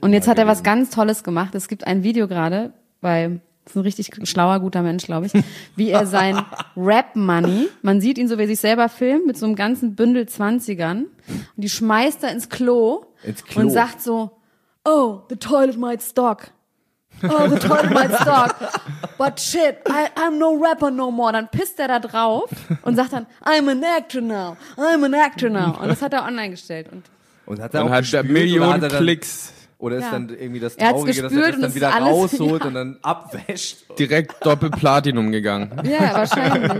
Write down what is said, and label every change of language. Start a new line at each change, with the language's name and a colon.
German: Und jetzt hat er was ganz Tolles gemacht. Es gibt ein Video gerade, weil ist ein richtig schlauer, guter Mensch, glaube ich, wie er sein Rap-Money, man sieht ihn so, wie er sich selber filmt, mit so einem ganzen Bündel 20ern, und die schmeißt er ins Klo und sagt so,
English: oh, the toilet might stock. Oh, the toilet might stock. But shit, I'm no rapper no more.
German: Dann pisst er da drauf und sagt dann,
English: I'm an actor now.
German: Und das hat er online gestellt. Und hat er und auch hat Millionen oder hat er dann, Klicks. Oder ist ja. Dann irgendwie das Traurige, dass er das dann wieder alles, rausholt ja. Und dann abwäscht. Direkt Doppelplatinum gegangen. Ja, wahrscheinlich.